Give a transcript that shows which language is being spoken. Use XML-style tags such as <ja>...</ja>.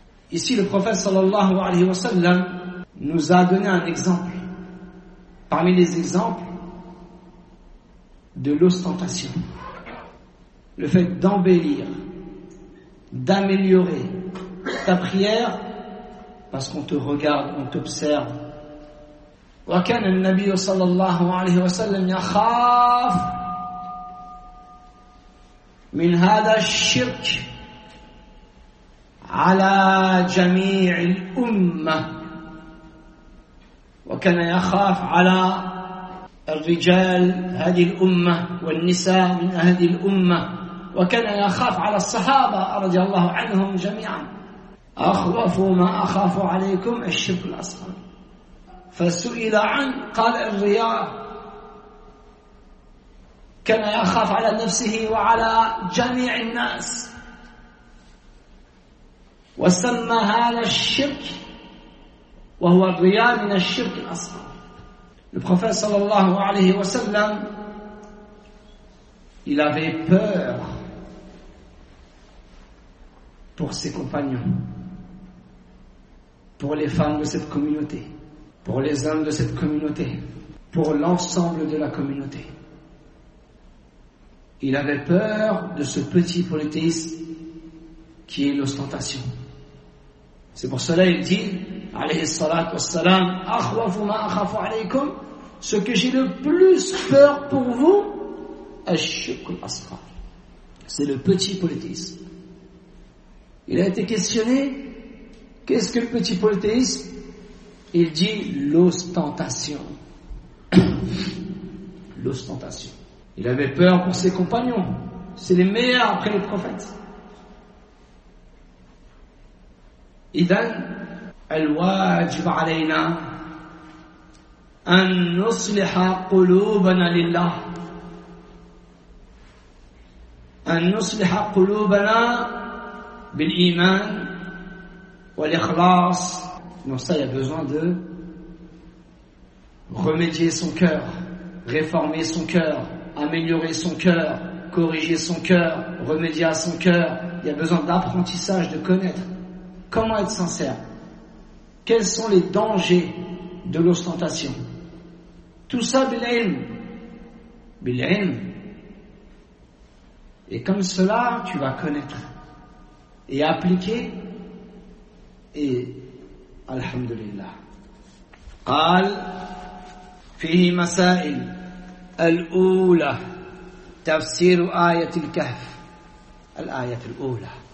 <fr>Ici, le prophète sallallahu alayhi wa sallam nous a donné un exemple parmi les exemples de l'ostentation. Le fait d'embellir, d'améliorer ta prière parce qu'on te regarde, on t'observe.</fr> <ar>Wa kana an-nabiy sallallahu alayhi wa sallam yakhaf min hadha ash-shirk على جميع الأمة، وكان يخاف على الرجال هذه الأمة والنساء من هذه الأمة، وكان يخاف على الصحابة رضي الله عنهم جميعا. أخاف ما أخاف عليكم الشرك الأصغر. فسئل عن قال الرياء، كان يخاف على نفسه وعلى جميع الناس. وسمى هذا الشرك وهو الرياء من الشرك الأصغر.</ar> <fr>Le prophète sallallahu alayhi wa sallam, il avait peur pour ses compagnons, pour les femmes de cette communauté, pour les hommes de cette communauté, pour l'ensemble de la communauté. Il avait peur de ce petit polythéisme qui est l'ostentation. C'est pour cela qu'il dit, alayhi salat wa salam,</fr> <ar>akhwafu ma akhafu alaykum,</ar> <fr>ce que j'ai le plus peur pour vous,</fr> <ar>ash-shirkul asghar.</ar> <fr>C'est le petit polythéisme. Il a été questionné, qu'est-ce que le petit polythéisme? Il dit, l'ostentation. L'ostentation. Il avait peur pour ses compagnons. C'est les meilleurs après les prophètes.</fr> <ar>إذن الواجب علينا أن نصلح قلوبنا لله، أن نصلح قلوبنا بالإيمان والإخلاص.</ar> <fr>Donc ça, il y a besoin de remédier son cœur, réformer son cœur, améliorer son cœur, corriger son cœur, remédier à son cœur. Il y a besoin d'apprentissage, de connaître. Comment être sincère? Quels sont les dangers de l'ostentation? Tout ça,</fr> <ar>bil-ilm. Bil-ilm.</ar> <fr>Et comme cela, tu vas connaître et appliquer. Et, alhamdulillah,</fr> <ar>قال فيه مسائل الأولى تفسير آية الكهف الآية الأولى.</ar>